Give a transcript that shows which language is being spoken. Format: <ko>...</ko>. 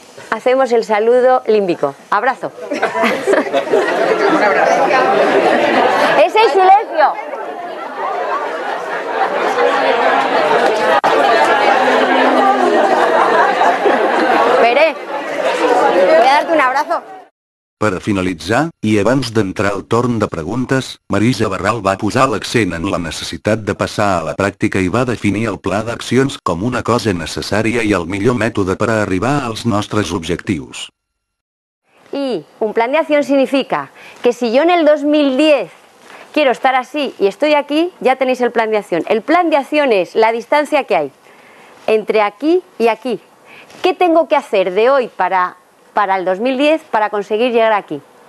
<es>Hacemos el saludo límbico. Abrazo. Es el silencio. Pere, voy a darte un abrazo.</es> <ca>Per finalitzar, i abans d'entrar al torn de preguntes, Marisa Barral va posar l'accent en la necessitat de passar a la pràctica i va definir el pla d'accions com una cosa necessària i el millor mètode per a arribar als nostres objectius. I un plan de acció significa</ca> <es>que si jo en el 2010 quiero estar así y estoy aquí, ya tenéis el plan de acción. El plan de acción es la distancia que hay entre aquí y aquí. ¿Qué tengo que hacer de hoy para el 2010 para conseguir llegar aquí?</es>